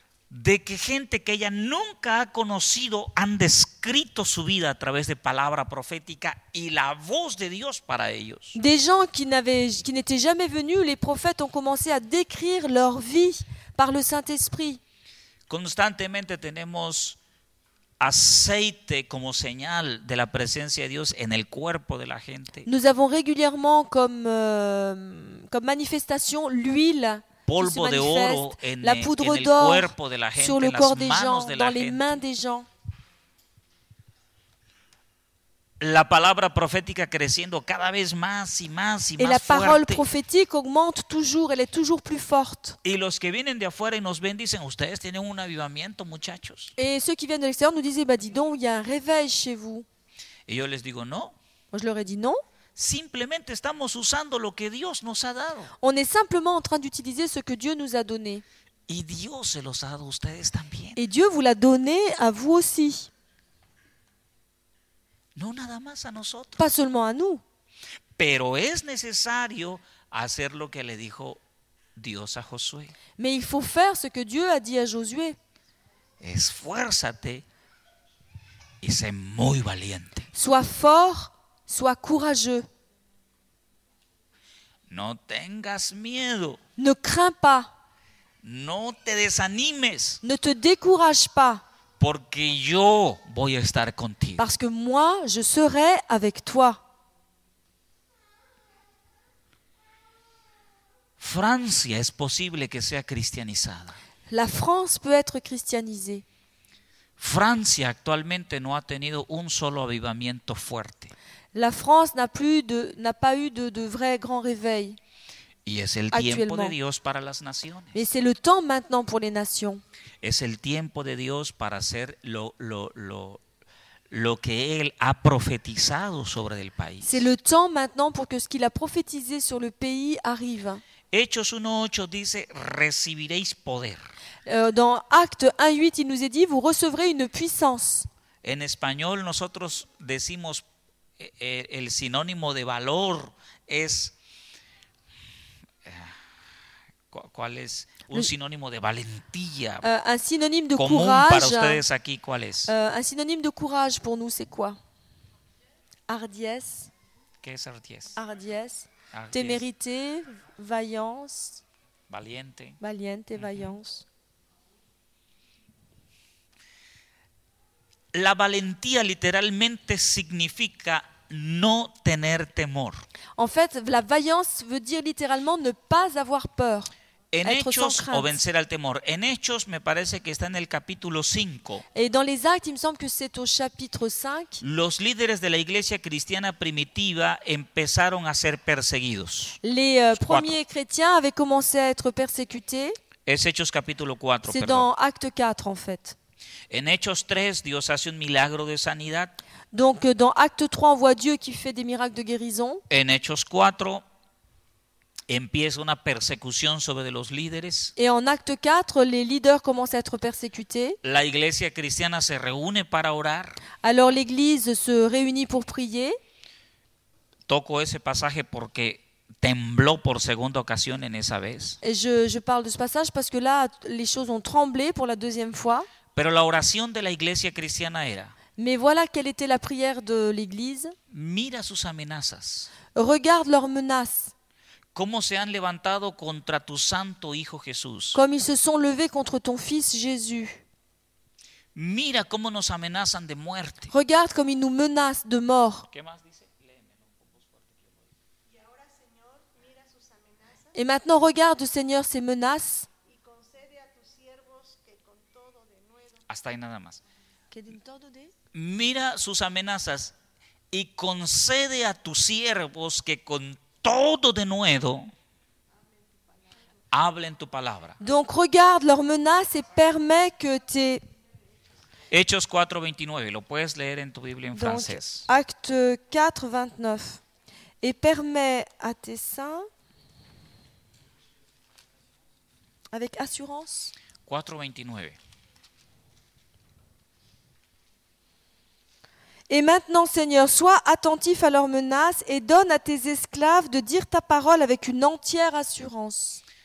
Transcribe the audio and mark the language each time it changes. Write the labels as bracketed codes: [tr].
[es] De que gente que ella nunca ha conocido han descrito su vida a través de palabra profética y la voz de Dios para ellos. [fr] Des gens qui n'étaient jamais venus, les prophètes ont commencé à décrire leur vie par le Saint-Esprit. [es] Constantemente tenemos aceite como señal de la presencia de Dios en el cuerpo de la gente. [fr] Nous avons régulièrement comme manifestation l'huile. [es] Polvo de oro en [fr] la poudre d'or [es] cuerpo de la gente, [fr] sur le corps des gens, dans les mains des gens. [es] La palabra profética creciendo cada vez más y más y más fuerte. [fr] La parole prophétique augmente toujours, elle est toujours plus forte. [es] Y los que vienen de afuera y nos ven dicen, ustedes tienen un avivamiento, muchachos. [fr] Et ceux qui viennent de l'extérieur nous disent, bah dis donc, il y a un réveil chez vous. [es] Y yo les digo, no. [fr] Moi je leur ai dit non. [es] Simplemente estamos usando lo que Dios nos ha dado. [fr] On est simplement en train d'utiliser ce que Dieu nous a donné. [es] Y Dios se los ha dado a ustedes también. [fr] Et Dieu vous l'a donné à vous aussi. [es] No nada más a nosotros. [fr] Pas seulement à nous. [es] Pero es necesario hacer lo que le dijo Dios a Josué. [fr] Mais il faut faire ce que Dieu a dit à Josué. [es] Esfuérzate y sé muy valiente. [fr] Sois fort. Sois courageux. [es] No tengas miedo. [fr] Ne crains pas. [es] No te desanimes. [fr] Ne te décourage pas. [es] Porque yo voy a estar contigo. [fr] Parce que moi, je serai avec toi. [es] Francia es posible que sea cristianizada. [fr] La France peut être christianisée. [es] Francia actualmente no ha tenido un solo avivamiento fuerte. [fr] La France n'a pas eu de vrai grand réveil. [es] Y es el tiempo de Dios para las naciones. [fr] Mais c'est le temps maintenant pour les nations. [es] Es el tiempo de Dios para hacer lo que él ha profetizado sobre el país. [fr] C'est le temps maintenant pour que ce qu'il a prophétisé sur le pays arrive. [es] Hechos 1:8 dice recibiréis poder. [fr] Dans Actes 1:8, il nous est dit vous recevrez une puissance. [es] En español nosotros decimos el sinónimo de valor es ¿cuál es un sinónimo de valentía? Un sinónimo de común [fr] courage. [es] Para ustedes aquí ¿cuál es? Un sinónimo de [fr] courage pour nous c'est quoi? Hardiesse. [es] ¿Qué es hardiesse? [fr] Hardiesse. Témérité, vaillance. [es] Valiente. Valiente, uh-huh. Vaillance. La valentía literalmente significa no tener temor. [fr] En fait, la vaillance veut dire littéralement ne pas avoir peur. [es] En Hechos, o vencer al temor. En Hechos me parece que está en el capítulo 5. [fr] Et dans les actes, il me semble que c'est au chapitre 5. [es] Los líderes de la iglesia cristiana primitiva empezaron a ser perseguidos. [fr] Les premiers chrétiens avaient commencé à être persécutés. [es] Es Hechos capítulo 4, [fr] c'est dans acte 4 en fait. [es] En Hechos 3, Dios hace un milagro de sanidad. [fr] Donc dans acte 3, on voit Dieu qui fait des miracles de guérison. [es] En Hechos 4 empieza una persecución sobre los líderes. [fr] Et en acte 4, les leaders commencent à être persécutés. [es] La iglesia cristiana se reúne para orar. [fr] Alors l'église se réunit pour prier. [es] Toco ese pasaje porque tembló por segunda ocasión en esa vez. [fr] Et je parle de ce passage parce que là les choses ont tremblé pour la deuxième fois. [es] Pero la oración de la iglesia cristiana era. [fr] Mais voilà quelle était la prière de l'église. [es] Mira sus amenazas. [fr] Regarde leurs menaces. [es] Cómo se han levantado contra tu santo hijo Jesús. [fr] Comme ils se sont levés contre ton fils Jésus. [es] Mira cómo nos amenazan de muerte. [fr] Regarde comme ils nous menacent de mort. [es] ¿Qué más dice? Y ahora, Señor, mira sus amenazas. [fr] Et maintenant regarde Seigneur ces menaces. [es] Y concede a tus siervos que con todo de nuevo. Hasta ahí nada más. Que de todo de... Mira sus amenazas y concede a tus siervos que con todo de nuevo, hablen tu palabra. [fr] Donc regarde leurs menaces et permets que tes... [es] Hechos 4, 29, lo puedes leer en tu Biblia en francés. [fr] Acte 4, 29. Et permets à tes saints, avec assurance. 4, 29. Et maintenant, Seigneur, sois attentif à leurs menaces et donne à tes esclaves de dire ta parole avec une entière assurance.